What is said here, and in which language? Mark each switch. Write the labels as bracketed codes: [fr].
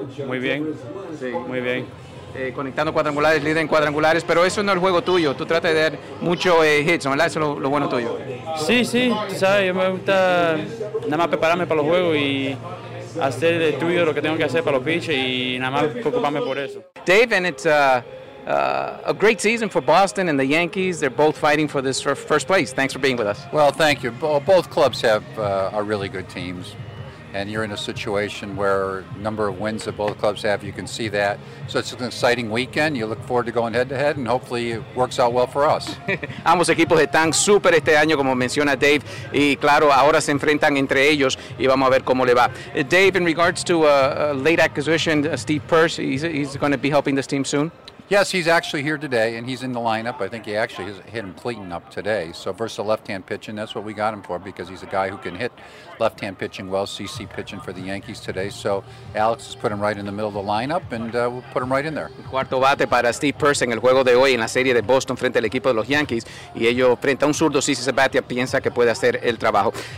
[es] Muy bien, sí, muy bien. Conectando cuadrangulares, líder en cuadrangulares, pero eso no es el juego tuyo. Tú tratas de dar muchos hits, ¿verdad? Eso es lo bueno tuyo. Sí, sí, tú sabes, yo me gusta nada más prepararme para los juegos y hacer de tuyo lo que tengo que hacer para los pitches y nada más preocuparme por eso. [en] Dave, and it's a great season for Boston and the Yankees. They're both fighting for this first place. Thanks for being with us. Well, thank you. Both clubs have are really good teams. And you're in a situation where number of wins that both clubs have, you can see that. So it's an exciting weekend. You look forward to going head-to-head, and hopefully it works out well for us. [es] Ambos equipos están súper este año, como menciona Dave. Y claro, ahora se enfrentan entre ellos, y vamos a ver cómo le va. [en] Dave, in regards to a late acquisition, Steve Pearce, he's going to be helping this team soon? Yes, he's actually here today, and he's in the lineup. I think he actually has hit him cleaning up today. So versus left-hand pitching, that's what we got him for, because he's a guy who can hit left-hand pitching well, CC pitching for the Yankees today. So Alex has put him right in the middle of the lineup, and we'll put him right in there. [es] Cuarto bate para Steve Pearce en el juego de hoy en la serie de Boston frente al equipo de los Yankees. Y ello frente a un zurdo, CC Sabathia piensa que puede hacer el trabajo.